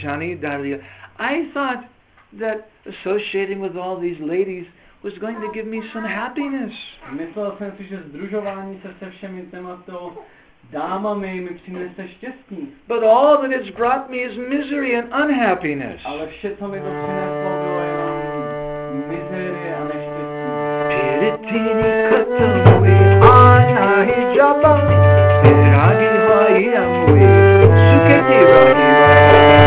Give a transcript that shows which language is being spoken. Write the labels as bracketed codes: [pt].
[en] I thought that associating with all these ladies was going to give me some happiness. [cs] Myslel jsem si, že sdružování se všemi těmito dámami mi přinese štěstí. [en] But all that it's brought me is misery and unhappiness. [cs] Ale vše, co mi to přineslo, bylo misery a neštěstí.